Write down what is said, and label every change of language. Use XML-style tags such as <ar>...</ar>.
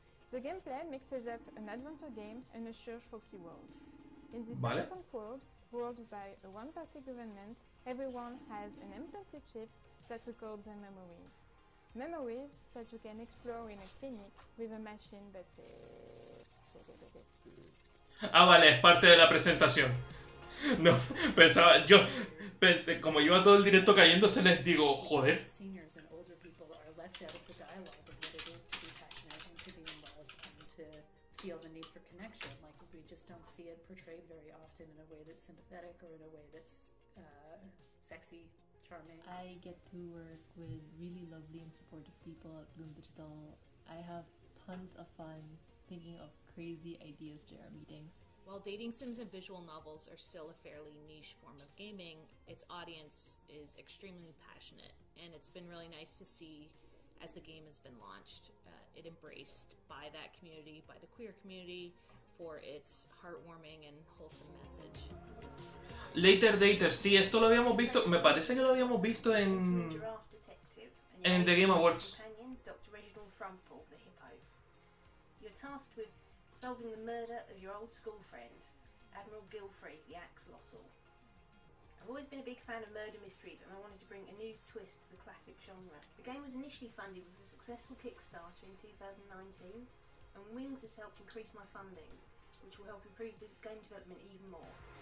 <en>The gameplay mixes up an adventure game and a search for keywords. In this</en> <es>¿vale?</es> <en>Open world, ruled by a one-party government, everyone has an implanted chip that records their memories. Memories that you can explore in a clinic with a machine that says...</en> <es>Ah, vale, es parte de la presentación. No, pensaba, yo pensé, como iba todo el directo cayéndose, les digo, joder.</es> <en>Seniors and older people are left out of the dialogue of what it is to be passionate and to be in love and to feel the need for connection. Like, we just don't see it portrayed very often in a way that's sympathetic or in a way that's sexy, charming. I get to work with really lovely and supportive people at Bloom Digital. I have tons of fun thinking of crazy ideas during our meetings. While dating sims and visual novels are still a fairly niche form of gaming, its audience is extremely passionate, and it's been really nice to see, as the game has been launched, it embraced by that community, by the queer community, for its heartwarming and wholesome message.</en> <es>Later Dater, sí, esto lo habíamos visto, me parece que lo habíamos visto en... en The Game Awards.</es> <en>Dr. Reginald Frumpel, the hippo. You're tasked with solving the murder of your old school friend, Admiral Gilfrey, the axolotl. I've always been a big fan of murder mysteries and I wanted to bring a new twist to the classic genre. The game was initially funded with a successful Kickstarter in 2019, and Wings has helped increase my funding, which will help improve the game development even more.</en>